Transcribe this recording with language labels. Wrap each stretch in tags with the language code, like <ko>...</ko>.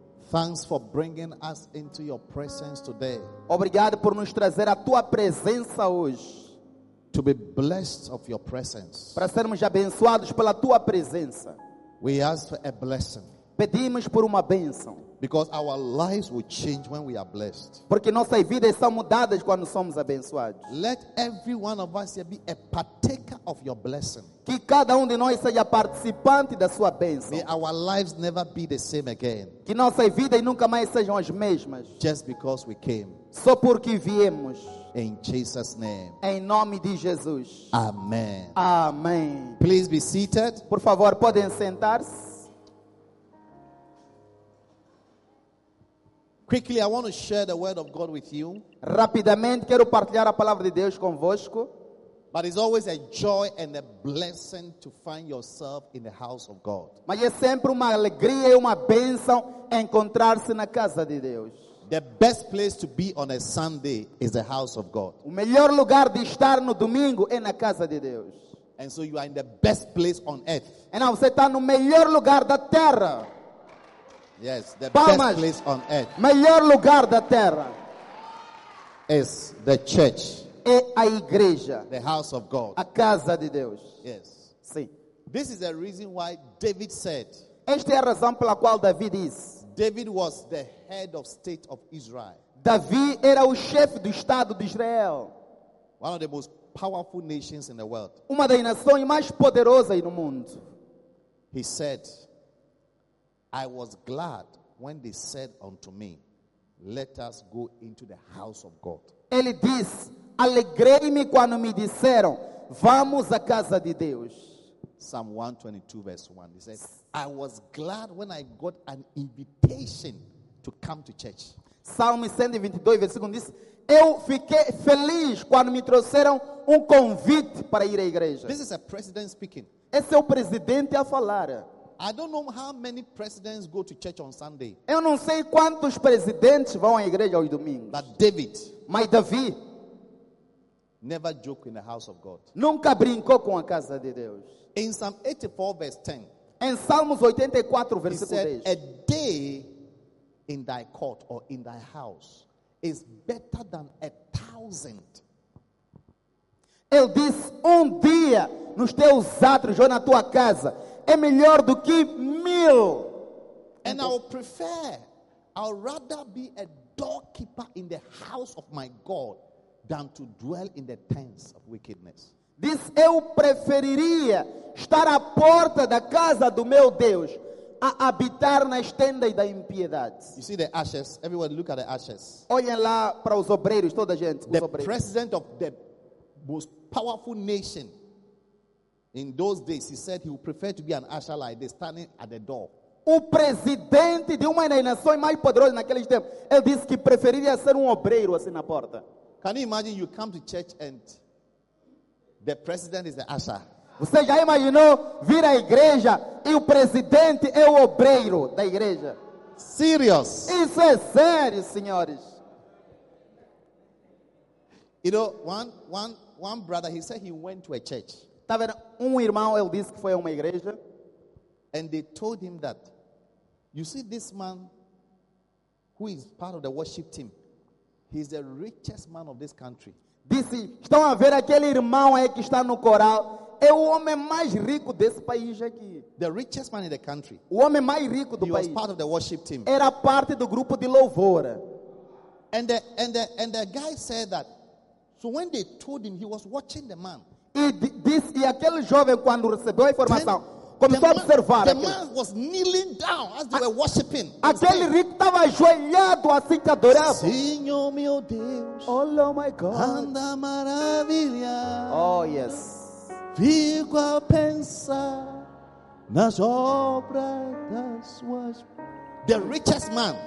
<en>Thanks for bringing us into your presence today.</en> <pt>Obrigado por nos trazer a tua presença hoje.</pt> <en>To be blessed of your presence.</en> <pt>Para sermos abençoados pela tua presença.</pt> <en>We ask for a blessing.</en> <pt>Pedimos por uma bênção.</pt> <en>Because our lives will change when we are blessed.</en> <pt>Porque nossas vidas são mudadas quando somos abençoados.</pt> <en>Let every one of us here be a partaker of your blessing.</en> <pt>Que cada de nós seja participante da sua bênção.</pt> <en>May our lives never be the same again.</en> <pt>Que nossas vidas nunca mais sejam as mesmas.</pt> <en>Just because we came.</en> <pt>Só porque viemos.</pt> <en>In Jesus name.</en> <pt>Em nome de Jesus.</pt> <en>Amen.</en> <pt>Amém.</pt> <en>Please be seated.</en> <pt>Por favor, podem sentar-se.</pt> <en>Quickly, I want to share the word of God with you.</en> <pt>Rapidamente quero partilhar a palavra de Deus convosco.</pt> <en>But it's always a joy and a blessing to find yourself in the house of God.</en> <pt>Mas é sempre uma alegria e uma bênção encontrar-se na casa de Deus.</pt> <en>The best place to be on a Sunday is the house of God.</en> <pt>O melhor lugar de estar no domingo é na casa de Deus.</pt> <en>And so you are in the best place on earth.</en> <pt>E não, você está no melhor lugar da terra.</pt> <en>Yes, the Palmas, best place on earth.</en> <pt>Melhor lugar da terra.</pt> <en>Is the church.</en> <pt>é a igreja.</pt> <en>The house of God.</en> <pt>A casa de Deus.</pt> <en>Yes.</en> <pt>Sim.</pt> <en>This is the reason why David said.</en> <pt>Esta é a razão pela qual David diz.</pt> <en>David was the head of state of Israel.</en> <pt>Davi era o chefe do estado de Israel.</pt> <en>One of the most powerful nations in the world.</en> <pt>Uma das nações mais poderosas no mundo.</pt> <en>He said, I was glad when they said unto me, let us go into the house of God.</en> <pt>Ele diz, alegrei-me quando me disseram, vamos à casa de Deus.</pt> <en>Psalm 122 verse 1. He said, I was glad when I got an invitation to come to church.</en> <pt>Salmo 122 versículo 1 diz, eu fiquei feliz quando me trouxeram um convite para ir à igreja.</pt> <en>This is a president speaking.</en> <pt>Esse é o presidente a falar.</pt> <en>I don't know how many presidents go to church on Sunday.</en> <pt>Eu não sei quantos presidentes vão à igreja aos domingos.</pt> <en>But David,</en> <pt>my Davi,</pt> <en>never joke in the house of God.</en> <pt>Nunca brincou com a casa de Deus.</pt> <en>In Psalm 84 verse 10.</en> <pt>Em Salmos 84 versículo 10.</pt> <en>He said, a day in thy court or in thy house is better than a thousand.</en> <pt>Ele diz, dia nos teus átrios ou na tua casa é melhor do que mil.</pt> <en>And I would prefer, I'd rather be a doorkeeper in the house of my God than to dwell in the tents of wickedness.</en> <pt>Diz, eu preferiria estar à porta da casa do meu Deus a habitar nas tendas da impiedade.</pt> <en>You see the ashes? Everyone look at the ashes.</en> <pt>Olhem lá para os obreiros, toda a gente.</pt> <en>The</en> <pt>obreiros.</pt> <en>President of the most powerful nation in those days, he said he would prefer to be an usher like this, standing at the door.</en> <pt>O presidente de uma das nações mais poderosas naquele tempo, ele disse que preferiria ser obreiro assim na porta.</pt> <en>Can you imagine you come to church and the president is the usher?</en> <pt>Você já imaginou vir à igreja e o presidente é o obreiro da igreja?</pt> <en>Serious.</en> <pt>Isso é sério, senhores.</pt> <en>You know, one brother, he said he went to a church.</en> <pt>Tá vendo? Irmão, ele disse que foi a uma igreja.</pt> <en>And they told him that, you see this man who is part of the worship team, he's the richest man of this country.</en> <pt>Disse, estão a ver aquele irmão aí que está no coral? É o homem mais rico desse país aqui.</pt> <en>The richest man in the country.</en> <pt>O homem mais rico do</pt> <en>he</en> <pt>país.</pt> <en>He was part of the worship team.</en> <pt>Era parte do grupo de louvor.</pt> <en>And the guy said that. So when they told him, he was watching the man.</en> <pt>E aquele jovem quando recebeu a informação, começou a observar.</pt> <en>The man was kneeling down as they were worshiping.</en> <pt>Aquele rico estava ajoelhado assim que adorava. Senhor meu Deus.</pt> <en>Oh, oh my God.</en> <pt>Anda maravilha.</pt> <en>Oh yes.</en> <pt>Fico a pensar nas obras das suas.</pt> <en>The richest man.</en>